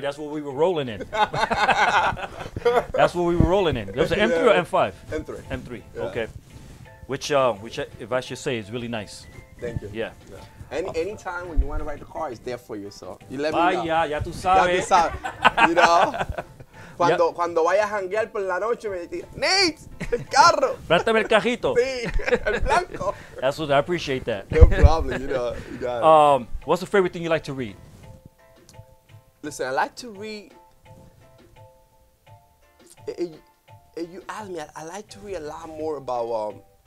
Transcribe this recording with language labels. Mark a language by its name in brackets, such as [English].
[English] That's what we were rolling in. That's what we were rolling in. There was an M3 or M5? M3. M3. Yeah. Okay. Which, if I should say, is really nice. Thank you. Yeah. Any time when you want to ride the car, it's there for you. So you let me know. [Spanish] Yeah, ya tú sabes. Ya tú sabes. [English] You know? [Spanish] Cuando, yep. Cuando vaya a janguear por la noche, me dice, Nate, el carro. Préstame el cajito. Sí, el blanco. [English] That's what I appreciate that. No problem, you know. You got it. What's the favorite thing you like to read? Listen, I like to read. If you ask me, I like to read a lot more about.